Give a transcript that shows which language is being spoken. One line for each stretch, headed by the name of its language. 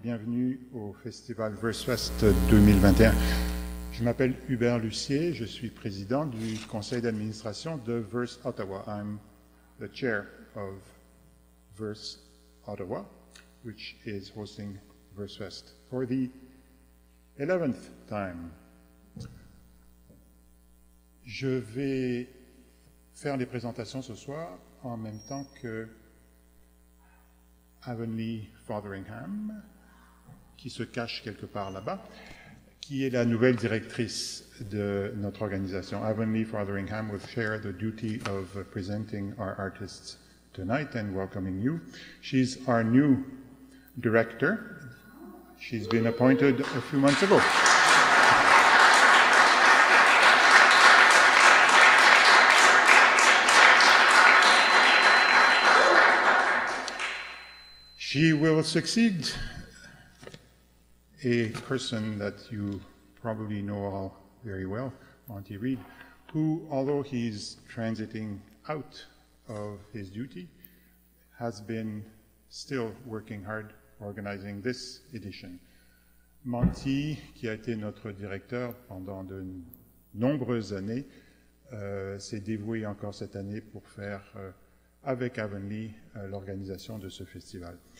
French: Bienvenue au festival VERSeFest 2021. Je m'appelle Hubert Lucier. Je suis président du conseil d'administration de VERSe Ottawa.
English: I'm the chair of VERSe Ottawa, which is hosting VERSeFest for the 11th time.
French: Je vais faire les présentations ce soir en même temps que Avonlea Fotheringham, qui se cache quelque part là-bas, qui est la nouvelle directrice de notre organisation.
English: Avonlea Fotheringham will share the duty of presenting our artists tonight and welcoming you. She's our new director. She's been appointed a few months ago. She will succeed a person that you probably know all very well, Monty Reed, who, although he's transiting out of his duty, has been still working hard organizing this edition.
French: Monty, qui a été notre directeur pendant de nombreuses années, s'est dévoué encore cette année pour faire avec Avonlea l'organisation de ce festival.